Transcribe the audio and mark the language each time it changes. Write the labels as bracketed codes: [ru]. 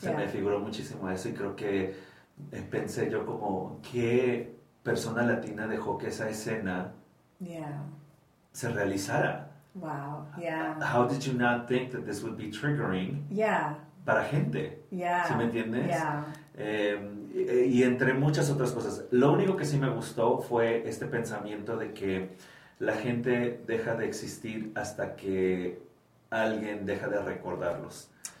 [es] Se me figuró muchísimo eso y creo que pensé yo como, ¿qué persona latina dejó que esa escena se realizara? [en] How did you not think that this would be triggering [es] para gente? ¿Sí me entiendes? Y entre muchas otras cosas, lo único que sí me gustó fue este pensamiento de que la gente deja de existir hasta que alguien deja de recordarlos.